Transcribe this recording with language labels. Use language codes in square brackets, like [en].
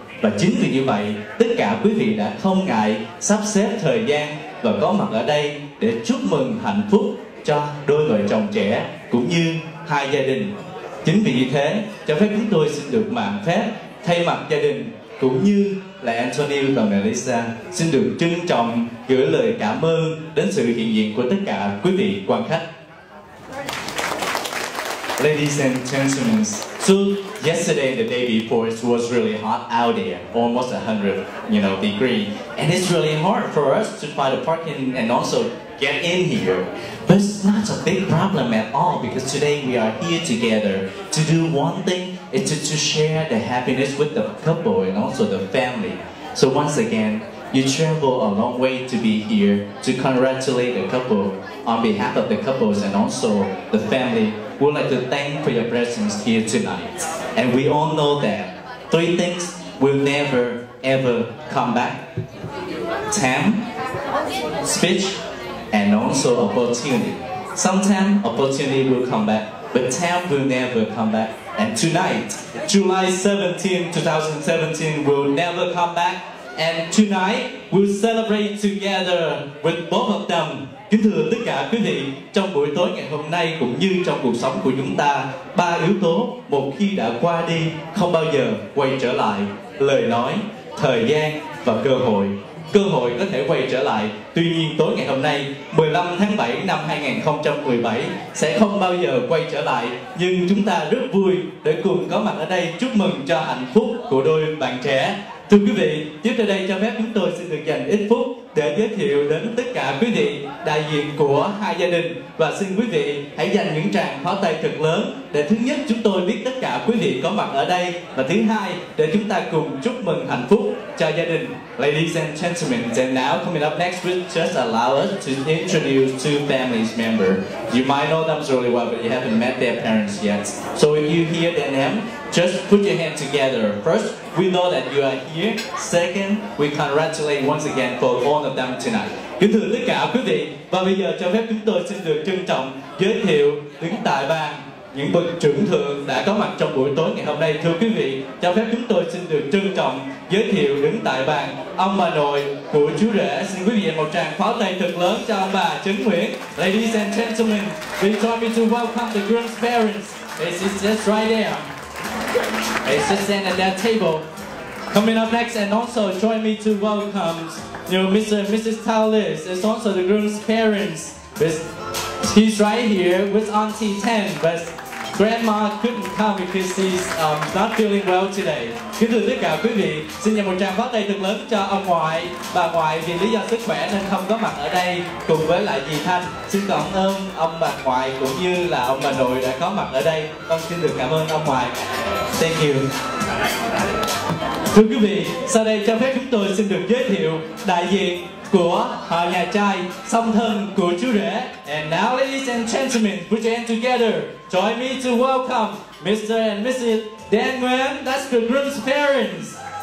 [vi] Và chính vì như vậy, tất cả quý vị đã không ngại sắp xếp thời gian và có mặt ở đây để chúc mừng hạnh phúc cho đôi vợ chồng trẻ cũng như hai gia đình. Chính vì như thế, cho phép chúng tôi xin được mạn phép thay mặt gia đình cũng như là Anthony và Melissa xin được trân trọng gửi lời cảm ơn đến sự hiện diện của tất cả quý vị quan khách. [en] Ladies and gentlemen, so yesterday, the day before, it was really hot out there, almost 100, you know, degree. And it's really hard for us to find a parking and also get in here. But it's not a big problem at all, because today we are here together to do one thing, it's to share the happiness with the couple and also the family. So once again, you travel a long way to be here to congratulate the couple on behalf of the couples and also the family. We'd like to thank for your presence here tonight. And we all know that three things will never ever come back. Time, speech, and also opportunity. Sometimes opportunity will come back, but time will never come back. And tonight, July 17, 2017 will never come back. And tonight, we'll celebrate together with both of them. [vi] Kính thưa tất cả quý vị, trong buổi tối ngày hôm nay cũng như trong cuộc sống của chúng ta, ba yếu tố một khi đã qua đi không bao giờ quay trở lại: lời nói, thời gian và cơ hội. Cơ hội có thể quay trở lại, tuy nhiên tối ngày hôm nay 15 tháng 7 năm 2017 sẽ không bao giờ quay trở lại. Nhưng chúng ta rất vui để cùng có mặt ở đây chúc mừng cho hạnh phúc của đôi bạn trẻ. Thưa quý vị, tiếp theo đây cho phép chúng tôi xin được dành ít phút để giới thiệu đến tất cả quý vị đại diện của hai gia đình. Và xin quý vị hãy dành những tràng pháo tay thật lớn để thứ nhất chúng tôi biết tất cả quý vị có mặt ở đây, và thứ hai để chúng ta cùng chúc mừng hạnh phúc cho gia đình. [en] Ladies and gentlemen, and now coming up next, we'll just allow us to introduce two family members. You might know them really well, but you haven't met their parents yet. So if you hear their name, just put your hand together. First, we know that you are here. Second, we congratulate once again for all of them tonight. [vi] Kính thưa tất cả quý vị, và bây giờ cho phép chúng tôi xin được trân trọng giới thiệu đứng tại bàn những bậc trưởng thượng đã có mặt trong buổi tối ngày hôm nay. Thưa quý vị, cho phép chúng tôi xin được trân trọng giới thiệu đứng tại bàn ông bà nội của chú rể. Xin quý vị một tràng pháo tay thật lớn cho ông bà Trấn Nguyễn. [en] Ladies and gentlemen, please join me to welcome the groom's parents. This is just right there. It's just standing at that table. Coming up next, and also join me to welcome you know, Mr. and Mrs. Talis. It's also the groom's parents. He's right here with Auntie Tan, but Grandma couldn't come because she's not feeling well today. [vi] Kính thưa tất cả quý vị, xin dành một tràng pháo tay thật lớn cho ông ngoại, bà ngoại vì lý do sức khỏe nên không có mặt ở đây cùng với lại dì Thanh. Xin cảm ơn ông bà ngoại cũng như là ông bà nội đã có mặt ở đây. Con xin được cảm ơn ông ngoại. [en] Thank you. [vi] Thưa quý vị, sau đây cho phép chúng tôi xin được giới thiệu đại diện của họ nhà trai, song thân của chú rể. [en] And now, ladies and gentlemen, put your hands together. Join me to welcome Mr. and Mrs. Dan Nguyen. That's the groom's parents.